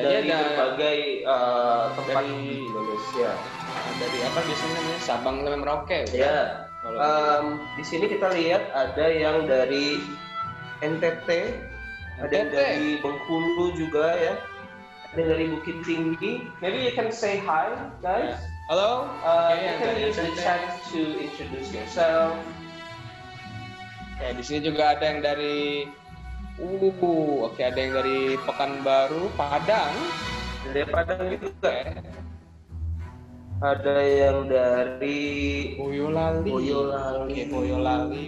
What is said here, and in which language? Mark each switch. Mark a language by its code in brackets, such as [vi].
[id] dari berbagai tempat dari Indonesia. Dari apa biasanya nih? Sabang sampai Merauke. Iya. Di sini kita lihat ada yang dari NTT, ada yang dari Bengkulu juga ya. Ada yang dari Bukit Tinggi. [en] Maybe you can say hi, guys. Hello. You can use the chat to introduce yourself. [id] Oke, di sini juga ada yang dari ada yang dari Pekanbaru, Padang. Dari Padang itu juga. Ada yang dari Boyolali. Boyolali,